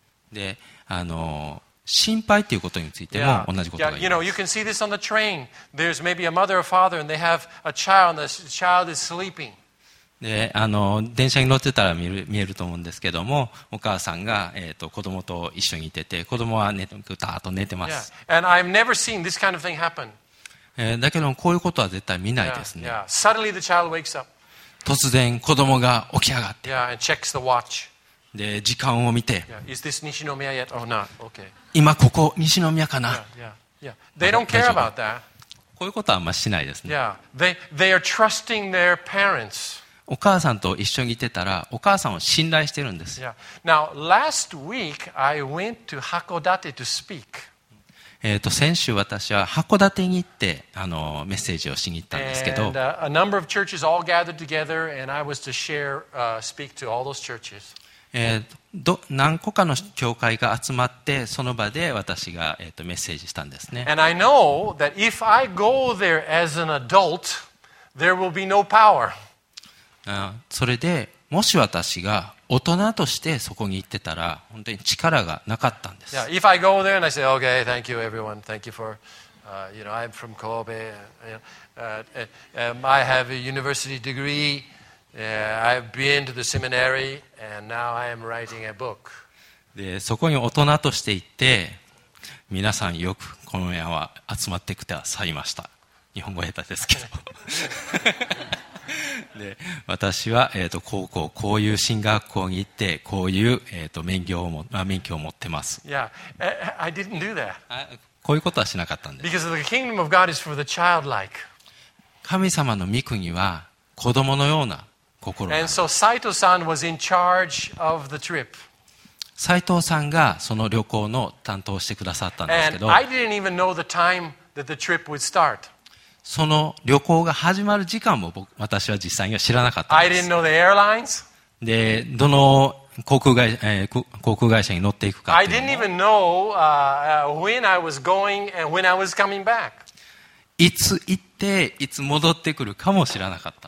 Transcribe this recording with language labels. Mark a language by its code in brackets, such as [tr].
[ja] で、心配ということについても同じことが言います。 [en] Yeah. You know, you can see this on the train. There's maybe a mother or father, and they have a child, and the child is sleeping. [ja] で電車に乗ってたら見えると思うんですけども、お母さんが、子供と一緒にいてて、子供はぐたーっと寝てます。 [en] Yeah. And I've never seen this kind of thing happen. [ja] だけどもこういうことは絶対見ないですね。 [en] Yeah. Yeah. Suddenly the child wakes up. [ja] 突然子供が起き上がって、 [en] yeah. And checks the watch. [ja] で時間を見て、 [en] yeah. Is this Nishinomiya yet or not? Okay. [ja] 今ここ西宮かな。 [en] yeah. Yeah. Yeah. They don't care about that. [ja] こういうことはあんましないですね。 [en] Yeah. They are trusting their parents. [ja] お母さんと一緒にいてたら、お母さんを信頼してるんです。 [en] Yeah. Now, last week, I went to Hakodate to speak. [ja] 先週私は函館に行って、メッセージをしに行ったんですけど。 [en] And, a number of churches all gathered together, and I was to share, speak to all those churches. [ja] 何個かの教会が集まって、その場で私が、メッセージしたんですね。 [en] And I know that if I go there as an adult, there will be no power. [ja] それでもし私が大人としてそこに行ってたら本当に力がなかったんです。 [en] Yeah, if I go there and I say, okay, thank you everyone, thank you for, you know, I'm from Kobe, I have a university degree, I've been to the seminary, and now I am writing a book. [ja] でそこに大人として行って、皆さんよくこの部屋は集まってくださいました。日本語下手ですけど。で私は、高校こういう進学校に行ってこういう、免許をも、あ、免許を持ってます。 [en] Yeah. I didn't do that. [ja] こういうことはしなかったんです。 [en] Because the kingdom of God is for the childlike. [ja] 神様の御国は子供のような心があります [en] And so Saito-san was in charge of the trip. [ja] 斉藤さんがその旅行の担当をしてくださったんですけど、 [en] And I didn't even know the time that the trip would start. [ja] その旅行が始まる時間も僕私は実際には知らなかったんです。 [en] I didn't know the airlines. [ja] で、どの航空会社に乗っていくかっていうの。 [en] I didn't even know, when I was going and when I was coming back. [ja] いつ行っていつ戻ってくるかも知らなかった。